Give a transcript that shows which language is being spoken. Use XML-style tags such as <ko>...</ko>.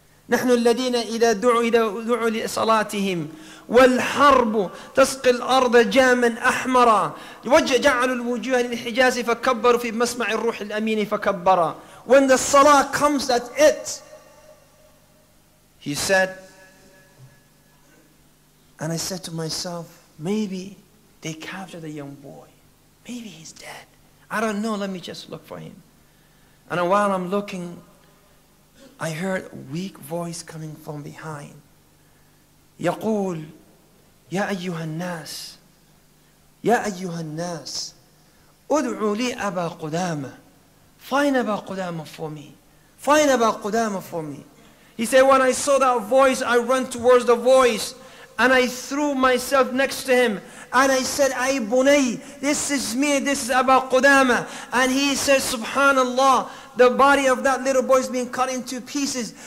<ar>نحن الذين إذا دعوا لصلاتهم والحرب تسقي الأرض جاما أحمرا جعلوا الوجوه للحجاز فكبروا في مسمع الروح الأمين فكبرا.</ar> <en>When the salah comes at it, he said, and I said to myself, maybe they captured a young boy. Maybe he's dead. I don't know, let me just look for him. And while I'm looking, I heard a weak voice coming from behind.</en> <ar>يقول يا أيها الناس يا أيها الناس ادعوا لي أبا قدامة.</ar> <en>Find Abu Qudama for me. Find Abu Qudama for me. He said, when I saw that voice, I ran towards the voice and I threw myself next to him and I said, Ay Bunay, this is me, this is Abu Qudama. And he said, Subhanallah, the body of that little boy is being cut into pieces.</en>